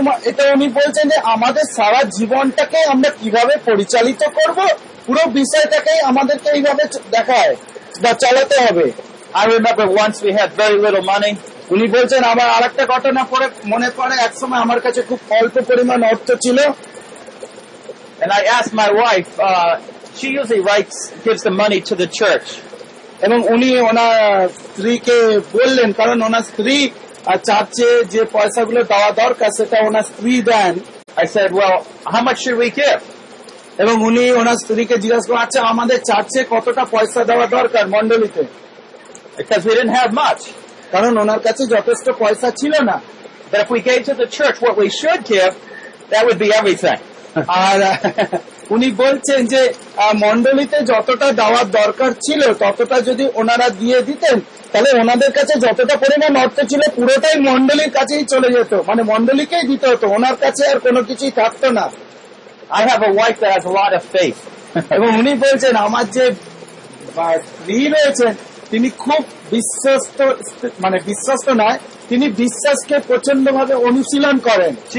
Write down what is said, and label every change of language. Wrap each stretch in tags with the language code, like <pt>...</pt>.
<bn>এটা উনি বলছেন যে আমাদের সারা জীবনটাকে আমরা কিভাবে পরিচালিত করব, পুরো বিষয়টাকে আমাদেরকে এইভাবে দেখায় বা চালাতে হবে।</bn> <en>I remember once we had very little money.</en> <bn>উনি বলছেন আমার আর একটা ঘটনা পরে মনে পড়ে, এক সময় আমার কাছে খুব অল্প পরিমাণ অর্থ ছিল।</bn> <en>And I asked my wife, she usually gives the money to the church.</en> <bn>এবং উনি ওনার স্ত্রীকে বললেন, কারণ ওনার স্ত্রী চার্চে যে পয়সাগুলো দেওয়া দরকার সেটা ওনার স্ত্রী দেন।</bn> <en>I said, well, how much should we give?</en> <bn>এবং উনি ওনার স্ত্রীকে জিজ্ঞাসা করলেন, আচ্ছা আমাদের চার্চে কতটা পয়সা দেওয়া দরকার মণ্ডলীতে?</bn> <en>Because we didn't have much.</en> <bn>কারণ ওনার কাছে যথেষ্ট পয়সা ছিল না।</bn> <en>But if we gave to the church what we should give, that would be everything.</en> <bn>আর উনি বলছেন যে মণ্ডলীতে যতটা দেওয়ার দরকার ছিল ততটা যদি ওনারা দিয়ে দিতেন, তাহলে ওনাদের কাছে যতটা পরিমাণ অর্থ ছিল পুরোটাই মণ্ডলীর কাছেই চলে যেত, মানে মণ্ডলীকেই দিতে হতো, ওনার কাছে আর কোনো কিছুই থাকতো না।</bn> <en>I have a wife that has a lot of faith.</en> <bn>এবং উনি বলছেন আমার যে স্ত্রী রয়েছেন তিনি খুব বিশ্বস্ত, মানে বিশ্বস্ত নয়, তিনি বিশ্বাসকে প্রচন্ড ভাবে অনুশীলন করেন।</bn>